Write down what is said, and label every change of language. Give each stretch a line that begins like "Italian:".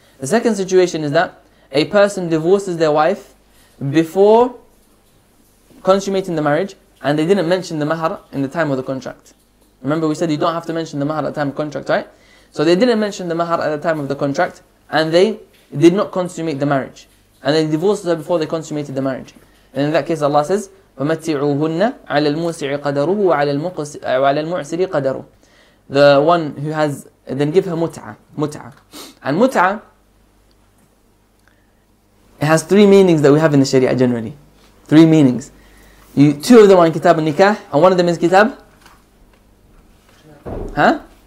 English: The second situation is that a person divorces their wife before consummating the marriage, and they didn't mention the mahar in the time of the contract. Remember, we said you don't have to mention the mahar at the time of contract, right? So they didn't mention the mahar at the time of the contract, and they did not consummate the marriage. And they divorced her before they consummated the marriage. And in that case, Allah says,
Arabic: فَمَتِّعُوهُنَّ عَلَى الْمُوسِعِ قَدَرُهُ وَعَلَى الْمُعْسِرِ قَدَرُهُ.
English: The one who has, then give her mut'a. And mut'a, it has three meanings that we have in the Sharia generally. Three meanings. Two of them are in Kitab al-Nikah, and one of them is Kitab? Huh?